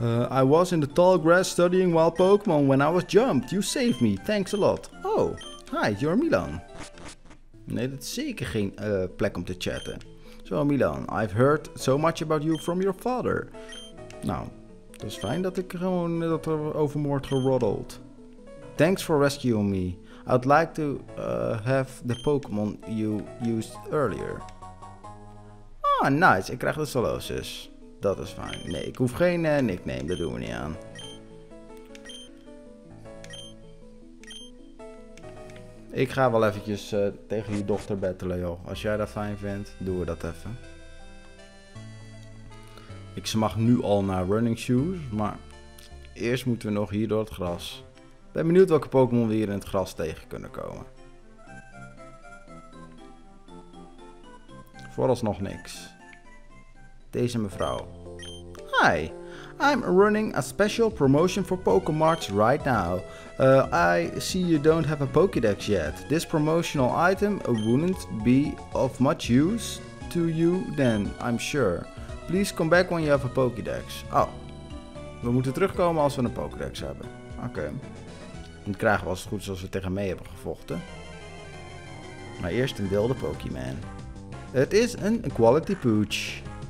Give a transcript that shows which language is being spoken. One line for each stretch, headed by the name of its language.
English: I was in the tall grass studying wild Pokémon when I was jumped. You saved me. Thanks a lot. Oh, hi, you're Milan.
Dutch: Nee, dat is zeker geen plek om te chatten. Zo, Milan.
English: I've heard so much about you from your father.
Dutch: Nou, dat is fijn dat ik gewoon dat er over me wordt geroddeld.
English: Thanks for rescuing me. I'd like to have the Pokémon you used earlier.
Dutch: Ah, nice. Ik krijg de Solosis. Dat is fijn. Nee, ik hoef geen nickname. Dat doen we niet aan. Ik ga wel eventjes tegen je dochter battelen, joh. Als jij dat fijn vindt, doen we dat even. Ik smag nu al naar running shoes, maar eerst moeten we nog hier door het gras. Ik ben benieuwd welke Pokémon we hier in het gras tegen kunnen komen. Vooralsnog niks. Deze mevrouw.
English: Hi, I'm running a special promotion for Pokémart right now. I see you don't have a Pokédex yet. This promotional item wouldn't be of much use to you then, I'm sure. Please come back when you have a Pokédex.
Dutch: Oh, we moeten terugkomen als we een Pokédex hebben. Oké. Okay. Dan krijgen we als het goed is als we tegen mee hebben gevochten. Maar eerst een wilde Pokémon. Het is een Quality Pooch.